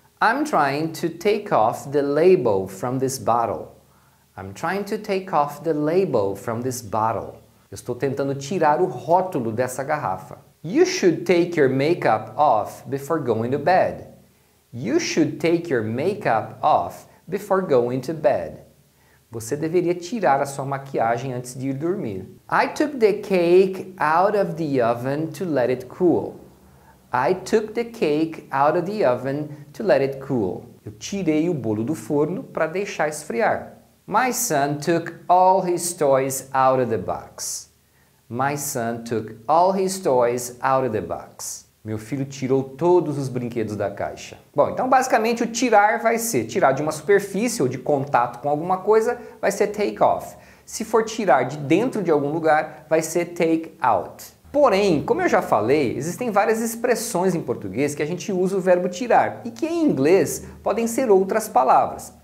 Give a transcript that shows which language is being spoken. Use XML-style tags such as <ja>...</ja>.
<en>I'm trying to take off the label from this bottle. I'm trying to take off the label from this bottle.</en> <pt>Eu estou tentando tirar o rótulo dessa garrafa.</pt> <en>You should take your makeup off before going to bed. You should take your makeup off before going to bed.</en> <pt>Você deveria tirar a sua maquiagem antes de ir dormir.</pt> <en>I took the cake out of the oven to let it cool. I took the cake out of the oven to let it cool.</en> <pt>Eu tirei o bolo do forno para deixar esfriar.</pt> <en>My son took all his toys out of the box. My son took all his toys out of the box.</en> <pt>Meu filho tirou todos os brinquedos da caixa. Bom, então basicamente o tirar vai ser tirar de uma superfície ou de contato com alguma coisa, vai ser take off. Se for tirar de dentro de algum lugar, vai ser take out. Porém, como eu já falei, existem várias expressões em português que a gente usa o verbo tirar e que em inglês podem ser outras palavras.</pt>